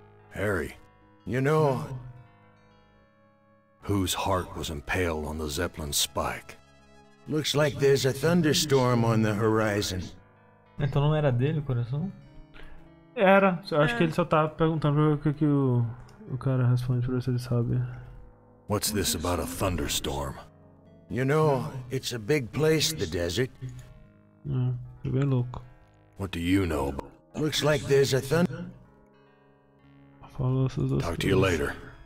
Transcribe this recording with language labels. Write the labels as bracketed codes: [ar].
[en] Harry, you know... Whose heart was impaled on the Zeppelin spike? Looks like there's a thunderstorm on the horizon. [pt] Então não era dele o coração? Era, acho que ele só tava perguntando pra ver o que o cara responde, pra ver se ele sabe. [en] What's this about a thunderstorm? You know, it's a big place, the desert. [pt] É bem louco. [en] What do you know? Looks like there's a thunder. [pt] Falou, seus [en] Talk to you later.